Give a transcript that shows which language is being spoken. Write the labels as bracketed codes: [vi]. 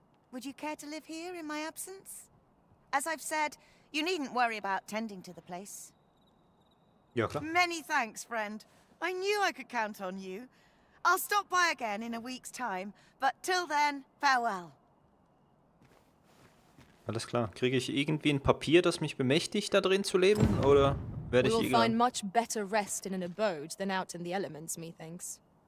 [en] Would you care to live here in my absence? As I've said, you needn't worry about tending to the place. [de] Ja, klar. [en] Many thanks, friend. I knew I could count on you. I'll stop by again in a week's time, but till then, farewell. [de] Alles klar. Kriege ich irgendwie ein Papier, das mich bemächtigt, da drin zu leben, oder? [en] We'll find much better rest in an abode than out in the elements, methinks.